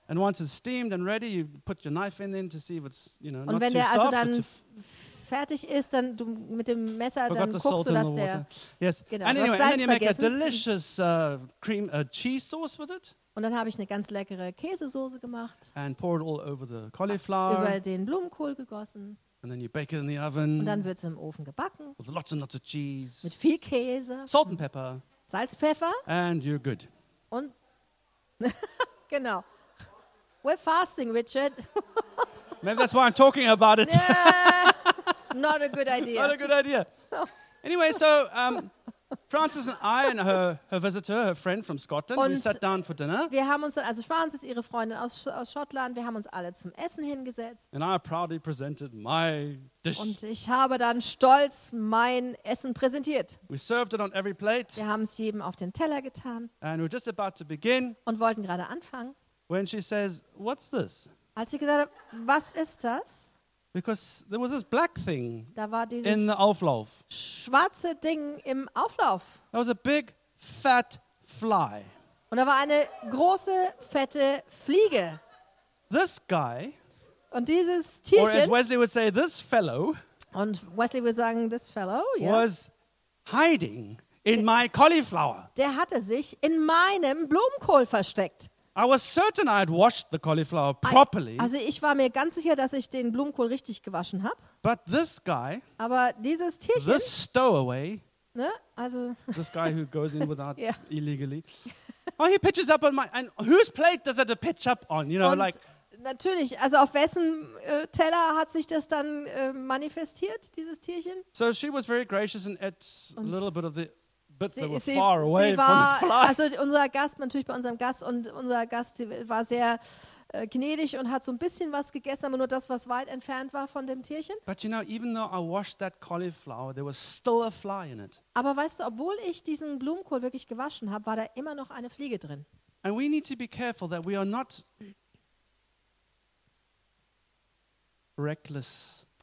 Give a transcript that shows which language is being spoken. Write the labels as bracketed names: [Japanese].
[English] And once it's steamed and ready, you put your knife in to see if it's, you know, [German] Und wenn [English] too [German] der also [English] soft, [German] dann fertig ist, dann du mit dem Messer, dann guckst du, dass der [English] Yes. [German] Genau, [English] and anyway, [German] Salz [English] and then you [German] vergessen. [English] Make a delicious cream cheese sauce with it. [German] Und dann habe ich eine ganz leckere Käsesoße gemacht. [English] And pour it all over the cauliflower. [German] Über den Blumenkohl gegossen. [English] And then you bake it in the oven. [German] Und dann wird es im Ofen gebacken. [English] With lots and lots of cheese. [German] Mit viel Käse. [English] Salt and pepper. [German] Salz, Pfeffer. [English] And you're good. [German] Und genau. [English] We're fasting, Richard. Maybe that's why I'm talking about it. Not a good idea. Not a good idea. Anyway, so Frances and I and her visitor, her friend from Scotland, [German] Und [English] we sat down for dinner. [German] Wir haben uns dann, also Frances, ihre Freundin aus Schottland, wir haben uns alle zum Essen hingesetzt. [English] And I proudly presented my dish. [German] Und ich habe dann stolz mein Essen präsentiert. [English] We served it on every plate. [German] Wir haben es jedem auf den Teller getan. [English] And we're just about to begin. [German] Und wollten gerade anfangen. [English] When she says, "What's this?" [German] Als sie gesagt hat, was ist das? [English] Because there was this black thing [German] da war dieses [English] in the Auflauf. [German] Schwarze Ding im Auflauf. [English] There was a big fat fly. [German] Und da war eine große fette Fliege. [English] This guy. [German] Und dieses Tierchen. [English] Or as Wesley would say, this fellow. Und Wesley would say, this fellow. Yeah. Was hiding in my cauliflower. [German] Der hatte sich in meinem Blumenkohl versteckt. [English] I was certain I had washed the cauliflower properly. [German] Also ich war mir ganz sicher, dass ich den Blumenkohl richtig gewaschen habe. [English] But this guy, [German] aber dieses Tierchen, [English] this stowaway, [German] ne? Also [English] this guy who goes in without illegally. Oh, he pitches up on my and whose plate does it pitch up on? You know, [German] Und [English] like [German] natürlich, also auf wessen Teller hat sich das dann manifestiert, dieses Tierchen? [English] So she was very gracious and ate a little bit of the [German] Sie war, [English] from the fly. [German] Also unser Gast, natürlich bei unserem Gast, und unser Gast war sehr gnädig und hat so ein bisschen was gegessen, aber nur das, was weit entfernt war von dem Tierchen. [English] But you know, even though I washed that cauliflower, there was still a fly in it. [German] Aber weißt du, obwohl ich diesen Blumenkohl wirklich gewaschen habe, war da immer noch eine Fliege drin. [English] And we need to be careful that we are not reckless.